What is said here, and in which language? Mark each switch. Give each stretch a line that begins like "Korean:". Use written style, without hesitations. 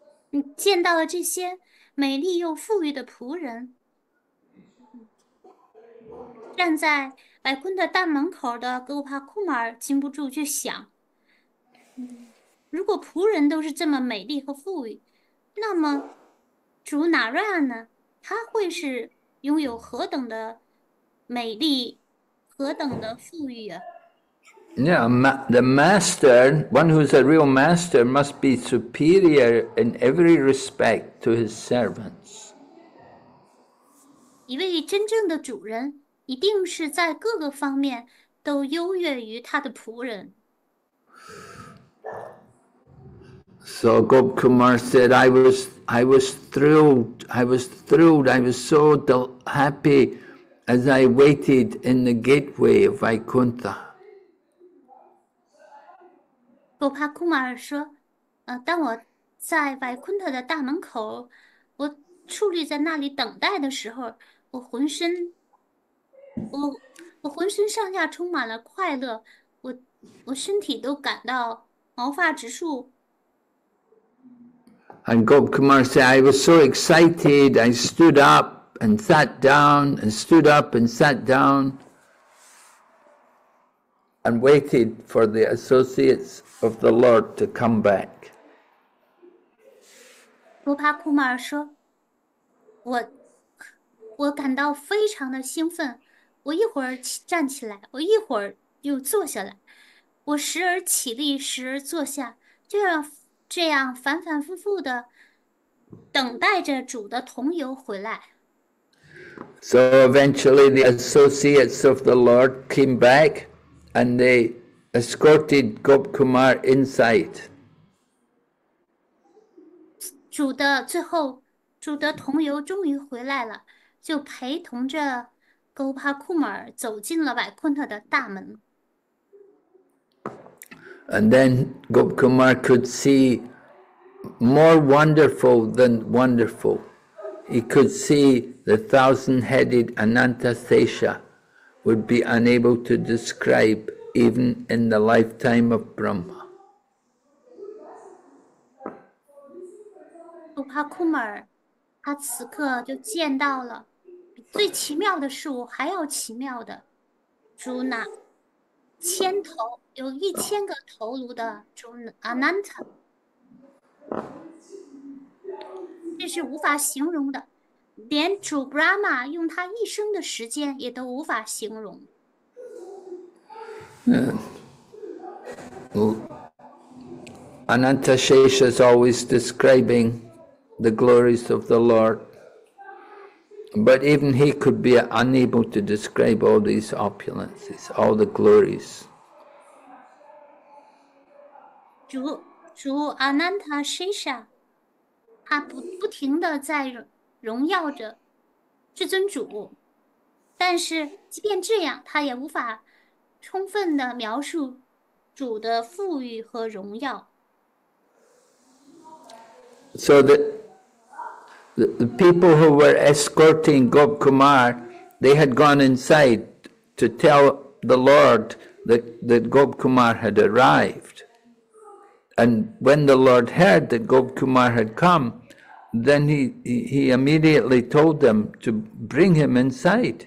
Chinese: You 见到了这些美丽又富裕的仆人，站在百坤的大门口的格鲁帕库马尔禁不住就想：“如果仆人都是这么美丽和富裕，那么主纳瑞安呢？他会是拥有何等的美丽，何等的富裕啊？”
English: Yeah, ma the master, one who's a real master, must be superior in every respect to his servants.
Chinese: 一位真正的主人一定是在各个方面都优越于他的仆人。
English: So Gop Kumar said, I was thrilled, I was so del happy as I waited in the gateway of Vaikuntha.
Chinese: 狗帕库马尔说：“当我在白昆特的大门口，我矗立在那里等待的时候，我浑身上下充满了快乐，我身体都感到毛发直竖。
English: And Gop Kumar said, I was so excited, I stood up and sat down, and stood up and sat down, and waited for the associates of the Lord to come back.
Chinese: 罗帕库马尔说：“我感到非常的兴奋，我一会儿起站起来，我一会儿又坐下来，我时而起立，时而坐下，这样反反复复的等待着主的同游回来。
English: So eventually the associates of the Lord came back and they escorted Gop Kumar inside.
Chinese: ”最后，主的同游终于回来了。就陪同着格鲁帕库尔走进了百昆特的大门。
English: And then Gop Kumar could see more wonderful than wonderful. He could see the thousand-headed Anantasesha would be unable to describe even in the lifetime of Brahma.
Chinese: 格鲁帕库尔，他此刻就见到了。最奇妙的事物还要奇妙的，主那千头有1000个头颅的主阿南塔，这是无法形容的，连主布拉玛用他一生的时间也都无法形容。
English: Anantashesha is always describing the glories of the Lord, but even he could be unable to describe all these opulences, all the glories.
Chinese: 主阿南塔西沙，他不停的在荣耀着至尊主，但是即便这样，他也无法充分的描述主的富裕和荣耀。
English: So the people who were escorting Gop Kumar, they had gone inside to tell the Lord that Gop Kumar had arrived. And when the Lord heard that Gop Kumar had come, then he immediately told them to bring him inside.